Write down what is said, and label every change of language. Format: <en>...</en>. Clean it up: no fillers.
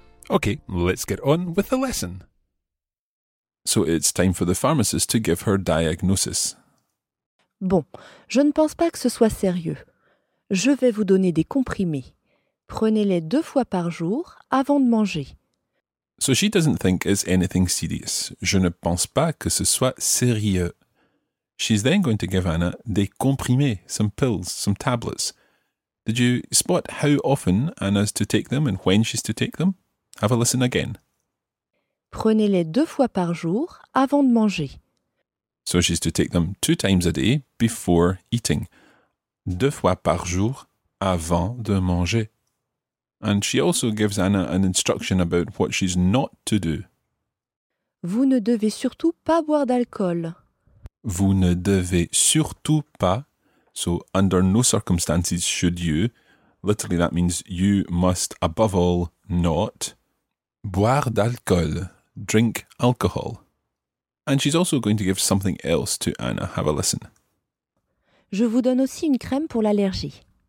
<en>Okay, let's get on with the lesson. So it's time for the pharmacist to give her diagnosis.</en> <fr>Bon, je ne pense pas que ce soit sérieux. Je vais vous donner des comprimés. Prenez-les deux fois par jour avant de manger.</fr> <en>So she doesn't think it's anything serious.</en> <fr>Je ne pense pas que ce soit sérieux.</fr> <en>She's then going to give Anna</en> <fr>des comprimés,</fr> <en>some pills, some tablets. Did you spot how often Anna's to take them and when she's to take them? Have a listen again.</en> <fr>Prenez-les deux fois par jour avant de manger.</fr> <en>So she's to take them two times a day before eating.</en> <fr>Deux fois par jour avant de manger.</fr> <en>And she also gives Anna an instruction about what she's not to do.</en> <fr>Vous ne devez surtout pas boire d'alcool. Vous ne devez surtout pas.</fr> <en>So under no circumstances should you. Literally that means you must above all not.</en> <fr>Boire d'alcool,</fr> <en>drink alcohol. And she's also going to give something else to Anna. Have a listen.</en> <fr>Je vous donne aussi une crème pour l'allergie.</fr>